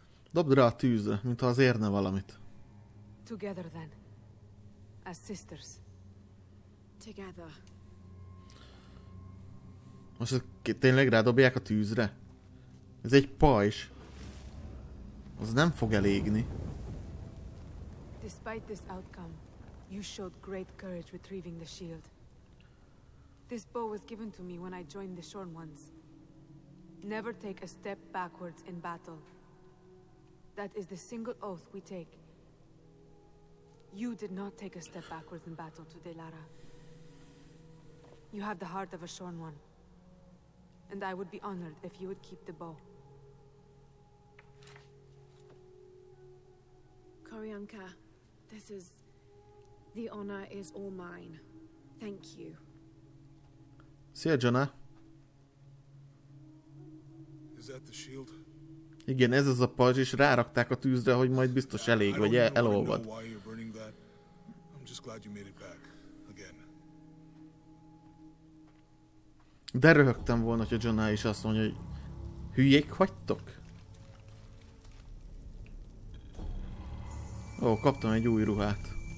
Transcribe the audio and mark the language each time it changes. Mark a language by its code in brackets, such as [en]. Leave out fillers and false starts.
[hu] Dobd rá a tűzre, mintha az érne valamit. [en] Together then, as sisters. Together. [hu] Most tényleg rádobják a tűzre? Ez egy pajzs. Az nem fog elégni. [en] Despite this outcome, you showed great courage retrieving the shield. This bow was given to me when I joined the Shorn Ones. Never take a step backwards in battle. That is the single oath we take. You did not take a step backwards in battle today, Lara. You have the heart of a Shorn One, and I would be honored if you would keep the bow. Koryanka, this is... the honor is all mine. Thank you. See ya, Jana. Is that the shield? [hu] Igen, ez az a pajzs, és rárakták a tűzre, hogy majd biztos elég, vagy elolvad. [en] I'm just glad you made it back. [hu] De röhögtem volna, hogy a Jonah is azt mondja, hogy hülyék vagytok? Ó, kaptam egy új ruhát.